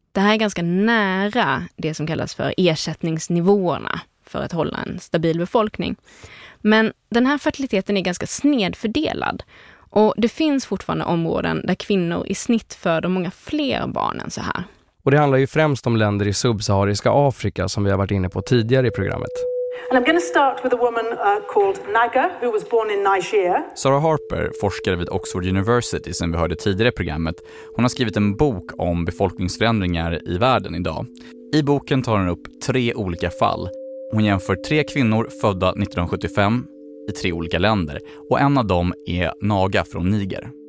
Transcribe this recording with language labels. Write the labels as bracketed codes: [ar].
[sv] Det här är ganska nära det som kallas för ersättningsnivåerna för att hålla en stabil befolkning. Men den här fertiliteten är ganska snedfördelad. Och det finns fortfarande områden där kvinnor i snitt föder många fler barn än så här. Och det handlar ju främst om länder i subsahariska Afrika som vi har varit inne på tidigare i programmet. [en] And I'm going to start with a woman called Naga who was born in Niger. [sv] Sarah Harper, forskare vid Oxford University som vi hörde tidigare i programmet. Hon har skrivit en bok om befolkningsförändringar i världen idag. I boken tar hon upp tre olika fall. Hon jämför tre kvinnor födda 1975 i tre olika länder och en av dem är Naga från Niger.